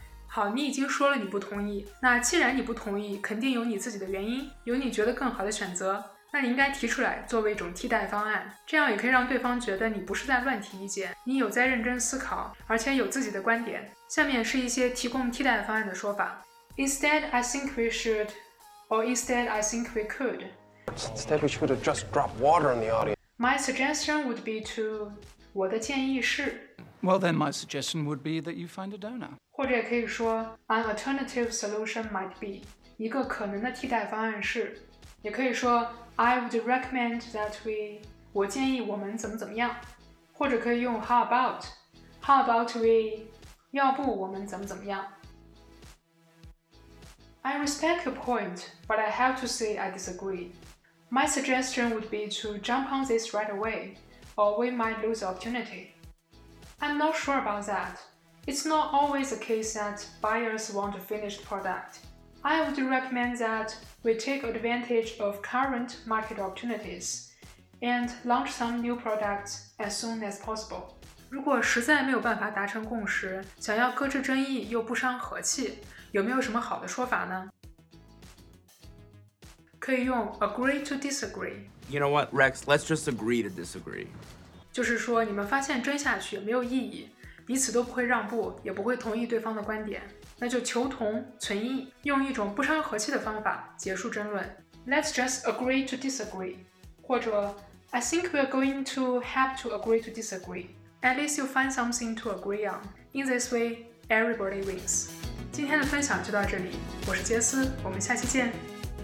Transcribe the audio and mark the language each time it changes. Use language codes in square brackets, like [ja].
[zh] 好，你已经说了你不同意。那既然你不同意，肯定有你自己的原因，有你觉得更好的选择。那你应该提出来作为一种替代方案。这样也可以让对方觉得你不是在乱提意见，你有在认真思考，而且有自己的观点。下面是一些提供替代方案的说法。 [en] Instead, I think we should... Or instead, I think we could. Instead, we should have just dropped water on the audience. My suggestion would be to... [zh] 我的建议是 [en] Well, then my suggestion would be that you find a donor. [zh] 或者也可以说 [en] An alternative solution might be. [zh] 一个可能的替代方案是，也可以说 [en] I would recommend that we [zh] 我建议我们怎么怎么样，或者可以用 [en] how about we [zh] 要不我们怎么怎么样。 [en] I respect your point, but I have to say I disagree. My suggestion would be to jump on this right away, or we might lose the opportunity. I'm not sure about that. It's not always the case that buyers want a finished product. I would recommend that we take advantage of current market opportunities and launch some new products as soon as possible. [zh] 如果实在没有办法达成共识，想要搁置争议又不伤和气，有没有什么好的说法呢？可以用 agree to disagree. [en] You know what, Rex? Let's just agree to disagree. [zh] 就是说，你们发现争下去没有意义，彼此都不会让步，也不会同意对方的观点，那就求同存异，用一种不伤和气的方法结束争论。 [en] Let's just agree to disagree. 或者 I think we're going to have to agree to disagree. At least you find something to agree on. In this way, everybody wins. [zh] 今天的分享就到这里，我是杰斯，我们下期见。